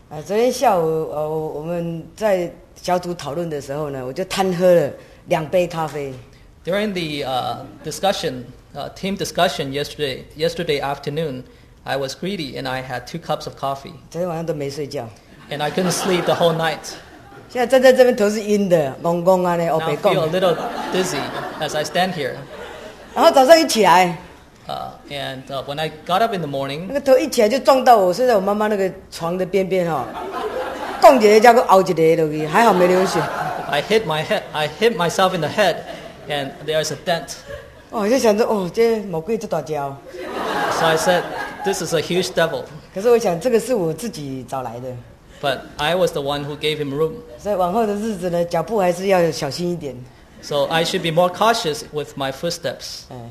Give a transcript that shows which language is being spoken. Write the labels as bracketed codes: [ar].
[zh] 昨天下午我们在小组讨论的时候呢，我就贪喝了两杯咖啡。 [en] During the team discussion yesterday afternoon, I was greedy and I had two cups of coffee. [zh] 昨天晚上都没睡觉。 [en] And I couldn't sleep the whole night. [zh] 现在站在这边头是晕的，懵懵啊呢，我白讲。 [en] Now I feel a little dizzy as I stand here. [zh] 然后早上一起来。 [en] When I got up in the morning, [zh] 那个头一起来就撞到我睡在我妈妈那个床的边边哈，撞一个加个凹一个落去，还好没流血。 [en] I hit myself in the head, and there is a dent. [zh] 我就想着哦，这魔鬼这大招。 [en] So I said, this is a huge devil. [zh] 可是我想这个是我自己找来的。 [en] But I was the one who gave him room. [zh] 所以往后的日子呢，脚步还是要小心一点。 [en] So I should be more cautious with my footsteps.